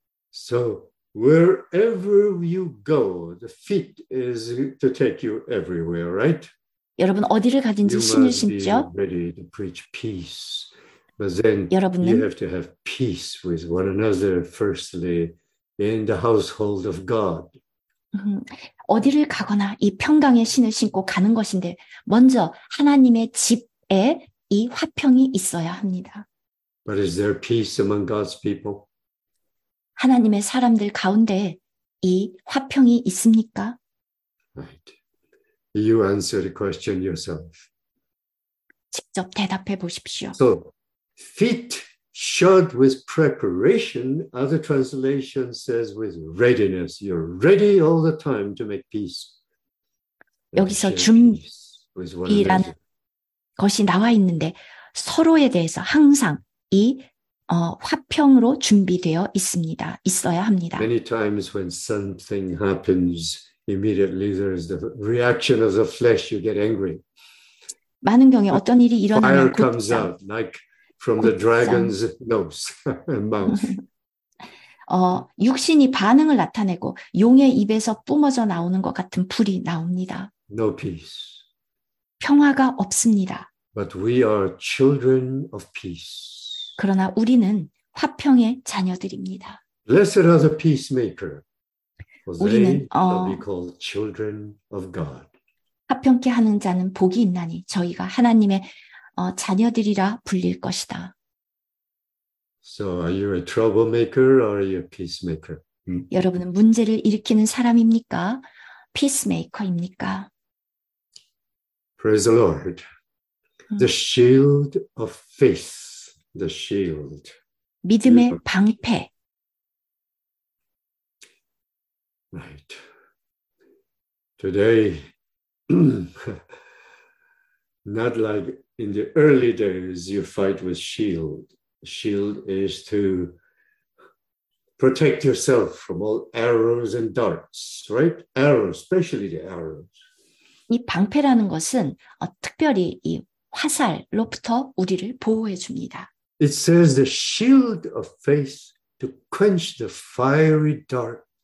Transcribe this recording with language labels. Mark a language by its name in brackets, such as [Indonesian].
[English] So wherever you go, the feet is to take you everywhere, right? [Korean] 여러분 어디를 가든지 신을 신죠. [English] Ready to preach peace. But then [Korean] 여러분은, [English] you have to have peace with one another firstly in the household of God. [Korean] 어디를 가거나 이 평강의 신을 신고 가는 것인데 먼저 하나님의 집에 이 화평이 있어야 합니다. [English] But is there peace among God's people? [Korean] 하나님의 사람들 가운데 이 화평이 있습니까? [English] Right. You answer the question yourself. [Korean] 직접 대답해 보십시오. [English] So, feet shod with preparation, other translation says with readiness. You're ready all the time to make peace. [Korean] 여기서 준비란 것이 나와 있는데 서로에 대해서 항상 이 화평으로 준비되어 있습니다. 있어야 합니다. [English] Many times when something happens, immediately there is the reaction of the flesh. You get angry. [Korean] 많은 경우에 어떤 일이 일어나면 [English] fire comes out like from the dragon's nose and mouth. [Korean] 육신이 반응을 나타내고 용의 입에서 뿜어져 나오는 것 같은 불이 나옵니다. [English] No peace. [Korean] 평화가 없습니다. [English] But we are children of peace. [Korean] 그러나 우리는 화평의 자녀들입니다. [English] Blessed are the peacemaker. For they shall be called children of God. [Korean] 화평케 하는 자는 복이 있나니 저희가 하나님의 자녀들이라 불릴 것이다. [English] So are you a troublemaker or are you a peacemaker? [Korean] 여러분은 문제를 일으키는 사람입니까? [English] 피스메이커입니까? Praise the Lord. The shield of faith. The shield. [Korean] 믿음의 방패. [English] Right. Today, not like in the early days, you fight with shield. Shield is to protect yourself from all arrows and darts, right? Arrows, especially the arrows. [Korean] 이 방패라는 것은 특별히 이 화살로부터 우리를 보호해 줍니다. [English] It says the shield of faith to quench the fiery dart.